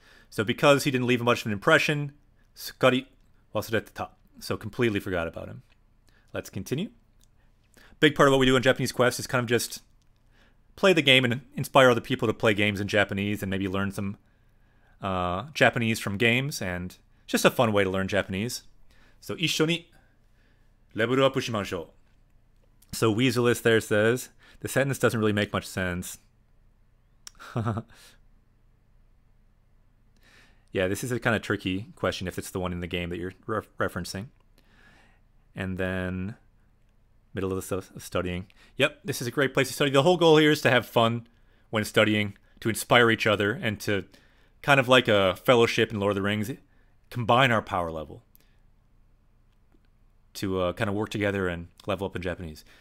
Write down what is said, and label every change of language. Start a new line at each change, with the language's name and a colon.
English: So because he didn't leave much of an impression,
Japanese: sukkari wasurete ta.
English: So completely forgot about him. Let's continue. Big part of what we do in Japanese Quest is kind of just play the game and inspire other people to play games in Japanese and maybe learn some Japanese from games and just a fun way to learn Japanese.
Japanese: So, 一緒にレベルアップしましょう。
English: So, Weaselist there says, the sentence doesn't really make much sense. Yeah, this is a kind of tricky question if it's the one in the game that you're referencing. And then... Middle of the studying. Yep, this is a great place to study. The whole goal here is to have fun when studying, to inspire each other, and to kind of like a fellowship in Lord of the Rings, combine our power level to kind of work together and level up in Japanese.